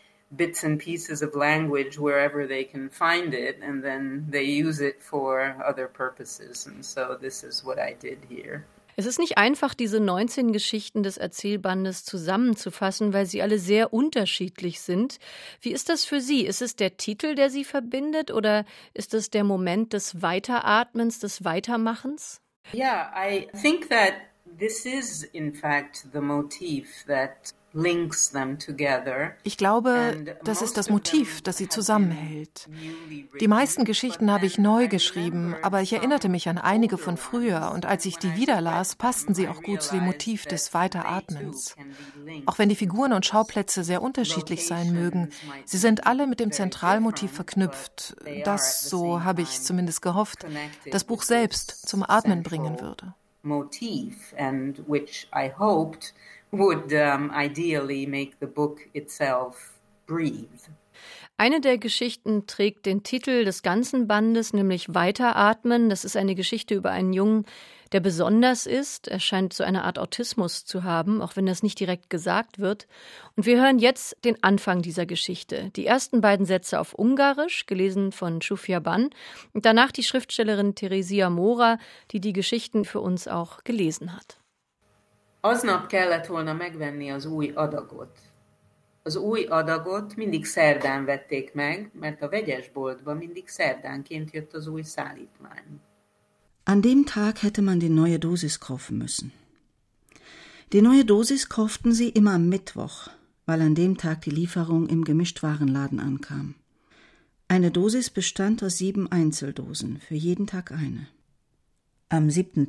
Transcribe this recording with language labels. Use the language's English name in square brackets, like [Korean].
[English] bits and pieces of language wherever they can find it, and then they use it for other purposes. And so this is what I did here. [German] Es ist nicht einfach, diese 19 Geschichten des Erzählbandes zusammenzufassen, weil sie alle sehr unterschiedlich sind. Wie ist das für Sie? Ist es der Titel, der Sie verbindet, oder ist es der Moment des Weiteratmens, des Weitermachens? [English] Yeah, I think that this is in fact the motif that links them together. [German] Ich glaube, das ist das Motiv, das sie zusammenhält. Die meisten Geschichten habe ich neu geschrieben, aber ich erinnerte mich an einige von früher, und als ich die wieder las, passten sie auch gut zu dem Motiv des Weiteratmens. Auch wenn die Figuren und Schauplätze sehr unterschiedlich sein mögen, sie sind alle mit dem Zentralmotiv verknüpft, das, so habe ich zumindest gehofft, das Buch selbst zum Atmen bringen würde. [English] Motiv, and which I hoped would ideally make the book itself breathe. [German] Eine der Geschichten trägt den Titel des ganzen Bandes, nämlich Weiteratmen. Das ist eine Geschichte über einen Jungen, der besonders ist. Er scheint so eine Art Autismus zu haben, auch wenn das nicht direkt gesagt wird. Und wir hören jetzt den Anfang dieser Geschichte. Die ersten beiden Sätze auf Ungarisch, gelesen von Csufya Ban. Und danach die Schriftstellerin Theresia Móra, die die Geschichten für uns auch gelesen hat. [Hungarian] Aznap kellett volna megvenni az új adagot. Az új adagot mindig szerdán vették meg, mert a vegyesboltba mindig szerdánként jött az új szállítmány. [German] An dem Tag hätte man die neue Dosis kaufen müssen. Die neue Dosis kauften sie immer am Mittwoch, weil an dem Tag die Lieferung im Gemischtwarenladen ankam. Eine Dosis bestand aus 7 Einzeldosen, für jeden Tag eine. Am 7.